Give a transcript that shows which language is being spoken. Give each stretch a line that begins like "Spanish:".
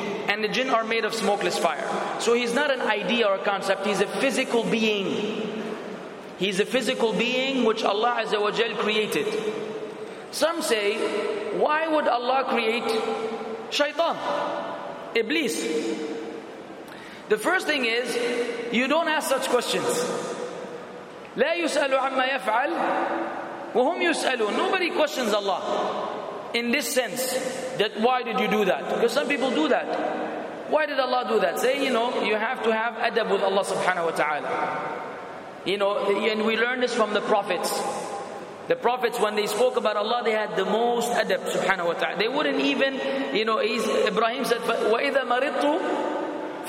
English: And the jinn are made of smokeless fire. So he's not an idea or a concept, he's a physical being. He's a physical being which Allah azza wa jal created. Some say, why would Allah create shaitan, Iblis? The first thing is, you don't ask such questions.
Arabic: لا يسأل عما يفعل وهم يسألون.
English: Nobody questions Allah in this sense, that why did you do that? Because some people do that. Why did Allah do that? Say, you know, you have to have adab with Allah subhanahu wa ta'ala. You know, and we learn this from the prophets. The prophets, when they spoke about Allah, they had the most adab subhanahu wa ta'ala. They wouldn't even, you know, Ibrahim said,
Arabic: وَإِذَا مَرِضْتُ